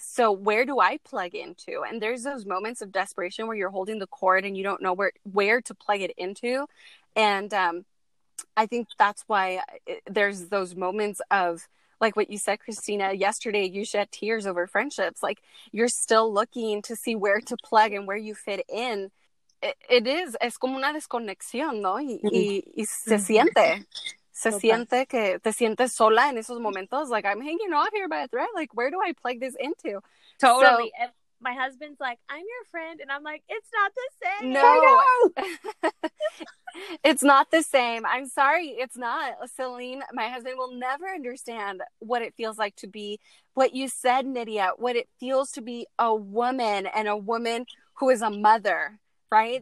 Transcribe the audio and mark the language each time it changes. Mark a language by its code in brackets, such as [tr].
[en] So where do I plug into? And there's those moments of desperation where you're holding the cord and you don't know where to plug it into. And, I think that's why there's those moments of like what you said, Christina, yesterday, you shed tears over friendships. Like, you're still looking to see where to plug and where you fit in. it is, [es] es como una desconexión, ¿no? Y se siente. Se siente que te sientes sola en esos momentos. [en] Like, I'm hanging off here by a thread. Like, where do I plug this into? Totally. So, my husband's like, I'm your friend. And I'm like, it's not the same. No. It's not the same. I'm sorry. It's not. Celine, my husband will never understand what it feels like to be what you said, Nydia, what it feels to be a woman and a woman who is a mother. Right?